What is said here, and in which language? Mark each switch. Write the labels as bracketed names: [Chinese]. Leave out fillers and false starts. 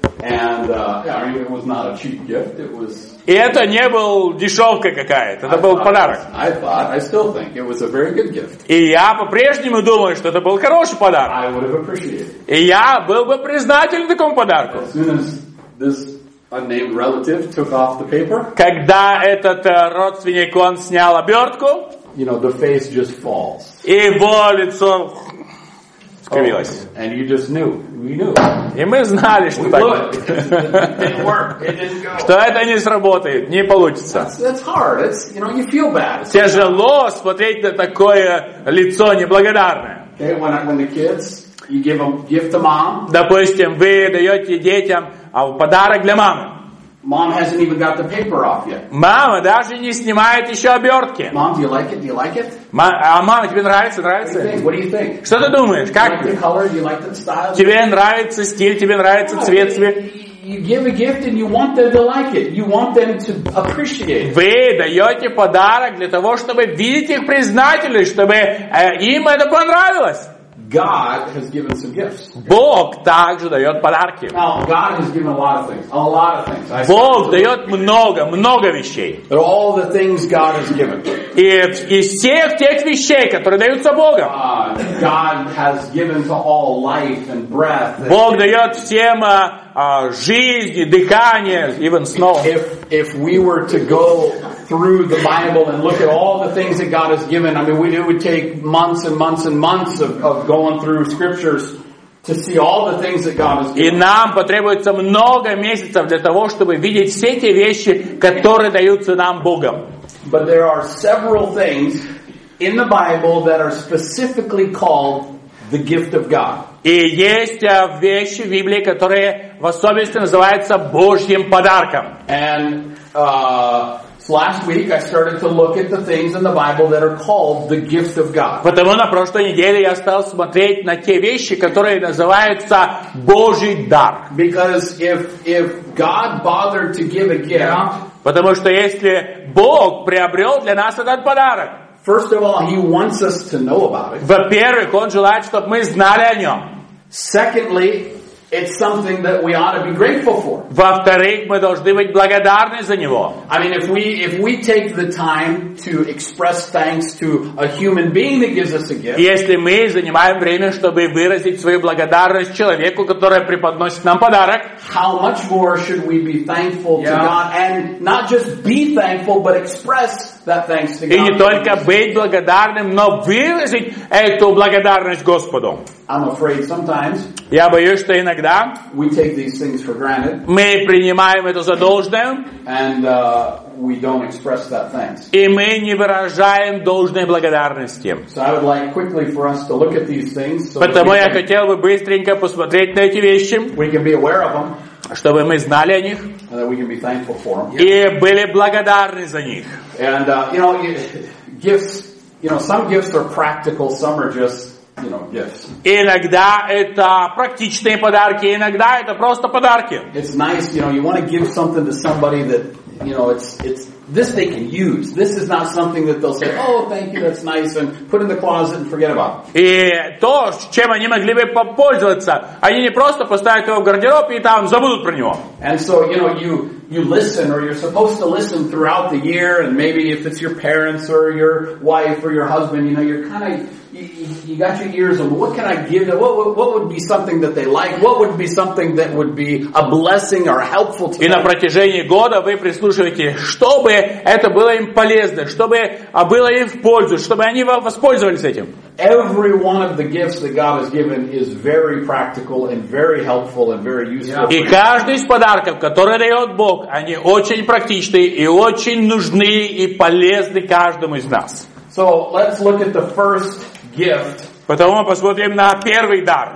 [English] And it was not a cheap gift. It was. [Russian] И это не был дешевка какая-то, это был подарок. [English] I still think it was a very good gift. [Russian] И я по-прежнему думаю, что это был хороший подарок. [English] I would have appreciated. [Russian] И я был бы признателен такому подарку. [English] As soon as this unnamed relative took off the paper. [Russian] Когда этот родственник, он снял обертку. [English] You know, the face just falls. [Russian] И его лицо скривилось. [English] Oh, and you just knew. We knew. [Russian] И мы знали, что [English] we [Russian] так. [English] It didn't work. It didn't go. [Russian] Что это не сработает, не получится. [English] That's hard. It's, you know, you feel bad. It's [Russian] тяжело смотреть на такое лицо неблагодарное. [English] Okay, when the kids, you give them gift to mom. [Russian] Допустим, вы даете детям подарок для мамы. [English] Mom hasn't even got the paper off yet. [Russian] Мама даже не снимает еще обертки. [English] Mom, do you like it? Do you like it? [Russian] Мама, тебе нравится? Нравится? [English] What do you think? [Russian] Что ты думаешь? Как? [English] Do you like the color? Do you like the style? [Russian] Тебе нравится стиль? Тебе нравится цвет? [English] You give a gift and you want them to like it. You want them to appreciate it. [Russian] Вы даете подарок для того, чтобы видеть их признательность, чтобы им это понравилось. [English] God has given some gifts. [Russian] Бог также дает подарки. [English] Now, God has given a lot of things. A lot of things. [Russian] Бог дает много, много вещей. [English] But all the things God has given. [Russian] И из всех тех вещей, которые даются Богом. [English] God has given to all life and breath. [Russian] Бог дает всем жизнь, дыхание, [English] even snow. If we were to go through the Bible and look at all the things that God has given, I mean, it would take months and months and months of going through scriptures to see all the things that God has given. [Russian] И нам потребуется много месяцев для того, чтобы видеть все те вещи, которые даются нам Богом. [English] But there are several things in the Bible that are specifically called the gift of God. [Russian] И есть вещи в Библии, которые в особенности называются Божьим подарком. [English] And Last week I started to look at the things in the Bible that are called the gifts of God. [Russian] Потому на прошлой неделе я стал смотреть на те вещи, которые называются Божий дар. [English] Because if God bothered to give a gift, [Russian] потому что если Бог приобрел для нас этот подарок, [English] first of all, He wants us to know about it. [Russian] Во-первых, Он желает, чтобы мы знали о нем. [English] Secondly, it's something that we ought to be grateful for. [Russian] Во-вторых, мы должны быть благодарны за него. [English] I mean, if we take the time to express thanks to a human being that gives us a gift. [Russian] Если мы занимаем время, чтобы выразить свою благодарность человеку, который преподносит нам подарок. [English] How much more should we be thankful to God, and not just be thankful, but express that thanks to God. [Russian] И не только быть благодарным, но выразить эту благодарность Господу. [English] I'm afraid sometimes. [Russian] Я боюсь, что иногда [English] we take these things for granted. [Russian] Мы принимаем это за должное. [English] And we don't express that thanks. [Russian] И мы не выражаем должной благодарности. [English] So I would like quickly for us to look at these things. [Russian] Потому я хотел бы быстренько посмотреть на эти вещи. [English] We can be aware of them. [Russian] Чтобы мы знали о них. [English] And that we can be thankful for them. [Russian] И были благодарны за них. [English] And some gifts are practical, some are just gifts. [Russian] Иногда это практичные подарки, иногда это просто подарки. [English] It's nice, you want to give something to somebody that, it's this they can use. This is not something that they'll say, oh, thank you, that's nice, and put in the closet and forget about. [Russian] И то, чем они могли бы попользоваться, они не просто поставят его в гардероб и там забудут про него. [English] And so, you listen, or you're supposed to listen throughout the year, and maybe if it's your parents or your wife or your husband, you're kind of you got your ears open. What can I give them? What would be something that they like? What would be something that would be a blessing or helpful to them? [Russian] И на протяжении года вы прислушиваете, чтобы это было им полезно, чтобы было им в пользу, чтобы они воспользовались этим. [English] Every one of the gifts that God has given is very practical and very helpful and very useful. [Russian] И каждый из подарков, который дает Бог, они очень практичны и очень нужны и полезны каждому из нас. [English] So let's look at the first gift. [Russian] Потому мы посмотрим на первый дар.